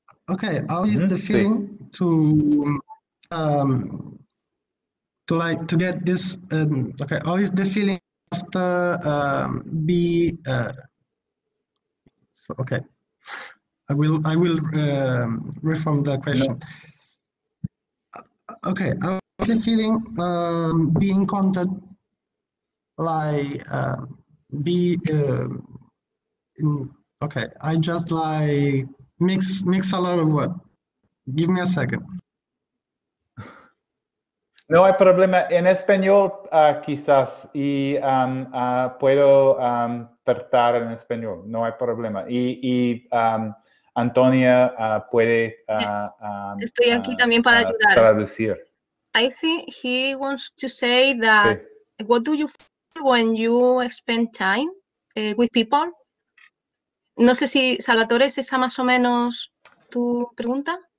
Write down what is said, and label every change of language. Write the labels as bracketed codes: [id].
[en] Okay, how is the feeling to get this, okay, how is the feeling after okay, I will reform the question. No. Okay, how is the feeling being contacted, I just like mix a lot of what? Give me a second. [es] No hay problema. En español, quizás, y puedo tratar en español. No hay problema. Y Antonia puede. Estoy aquí también para ayudar. Traducir. [en] I think he wants to say that. Sí. What do you feel when you spend time with people? [es] No sé si Salvatore, ¿es esa más o menos tu pregunta?